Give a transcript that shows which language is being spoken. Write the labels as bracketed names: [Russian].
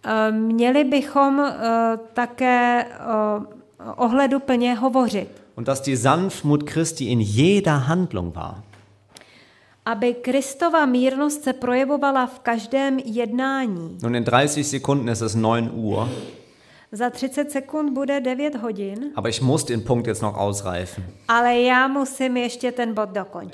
[Czech] Měli bychom také ohleduplně hovořit. [German] Und dass die Sanftmut Christi in jeder Handlung war. [Czech] Aby Kristova mírnost se projevovala v každém jednání. [German] Nun in 30 Sekunden ist es 9 Uhr. [Czech] Za 30 sekund bude 9 hodin. [German] Aber ich muss den Punkt jetzt noch ausreifen. [Czech] Ale já musím ještě ten bod dokončit.